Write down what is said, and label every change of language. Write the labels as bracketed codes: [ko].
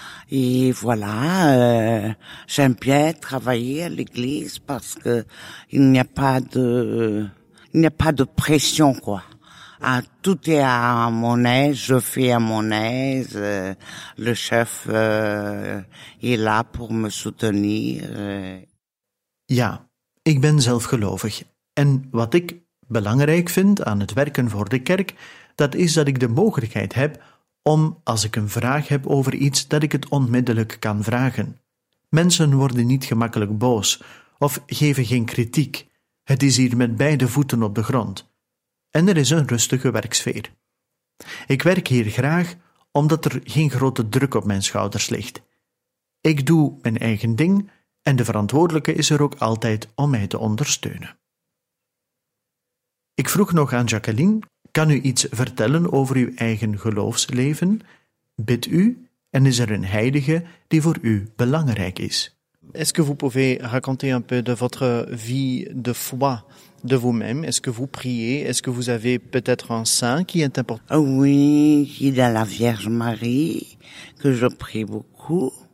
[fr] Et voilà, j'aime bien travailler à l'église parce que il n'y a pas de pression, quoi. Ah, tout est à mon aise, je fais à mon aise, le chef est là pour me soutenir. [nl] Ja, ik ben zelfgelovig. En wat ik belangrijk vind aan het werken voor de kerk, dat is dat ik de mogelijkheid heb om, als ik een vraag heb over iets, dat ik het onmiddellijk kan vragen. Mensen worden niet gemakkelijk boos of geven geen kritiek. Het is hier met beide voeten op de grond. En er is een rustige werksfeer. Ik werk hier graag omdat er geen grote druk op mijn schouders ligt. Ik doe mijn eigen ding en de verantwoordelijke is er ook altijd om mij te ondersteunen. Ik vroeg nog aan Jacqueline, kan u iets vertellen over uw eigen geloofsleven? Bidt u en is er een heilige die voor u belangrijk is? [fr] Est-ce que vous pouvez raconter un peu de votre vie de foi de vous-même? Est-ce que vous priez? Est-ce que vous avez peut-être un saint qui est important? Oui, il y a la Vierge Marie que je prie beaucoup.